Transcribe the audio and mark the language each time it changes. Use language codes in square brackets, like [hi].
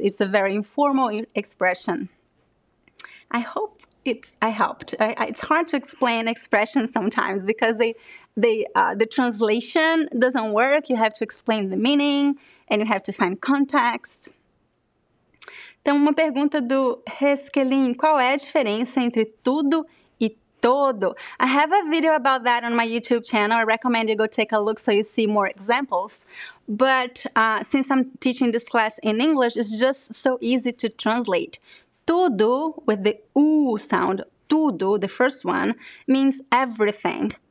[en] It's a very informal expression. I hope I helped. It's hard to explain expressions sometimes because the translation doesn't work. You have to explain the meaning and you have to find context. [pt] Então, uma pergunta do Resquelin. Qual é a diferença entre tudo e todo? [en] I have a video about that on my YouTube channel. I recommend you go take a look so you see more examples. But since I'm teaching this class in English, it's just so easy to translate. Tudo, with the U sound, tudo, the first one, means everything.